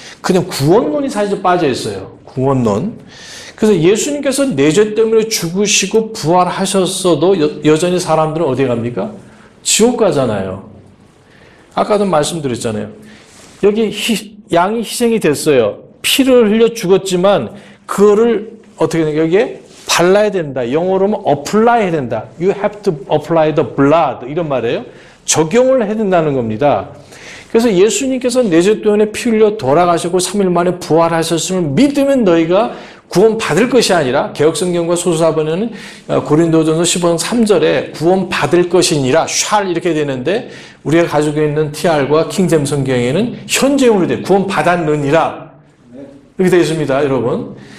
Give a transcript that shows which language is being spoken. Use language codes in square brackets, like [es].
[ko] 그냥 구원론이 사실 빠져 있어요. 구원론. 그래서 예수님께서 내 죄 때문에 죽으시고 부활하셨어도 여전히 사람들은 어디 갑니까? 지옥 가잖아요. 아까도 말씀드렸잖아요. 여기 양이 희생이 됐어요. 피를 흘려 죽었지만 그거를 어떻게 되냐 여기에 발라야 된다. 영어로는 apply 해야 된다. [en] You have to apply the blood [ko] 이런 말이에요. 적용을 해야 된다는 겁니다. 그래서 예수님께서 내 죄 때문에 피 흘려 돌아가시고 3일 만에 부활하셨음을 믿으면 너희가 구원 받을 것이 아니라 개역성경과 소수사본에는 고린도전서 15장 3절에 구원 받을 것이니라 shall 이렇게 되는데 우리가 가지고 있는 TR과 킹잼 성경에는 현재형으로 돼 구원 받았느니라 이렇게 되어 있습니다, 여러분.